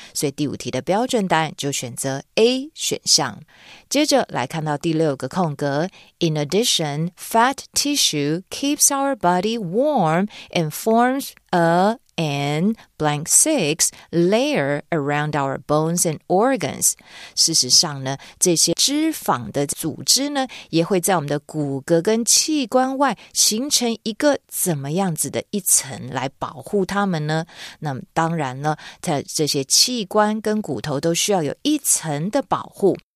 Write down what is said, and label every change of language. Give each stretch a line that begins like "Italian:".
Chinese: 所以第五题的标准答案就选择 A 选项。接着来看到第六个空格，
English: In addition, fat tissue keeps our body warm and forms a and blank six layer around our bones and organs.
Chinese: 事实上呢，这些脂肪的组织呢，也会在我们的骨骼跟器官外形成一个怎么样子的一层来保护它们呢？那当然呢，它这些器官跟骨头都需要有一层的保护。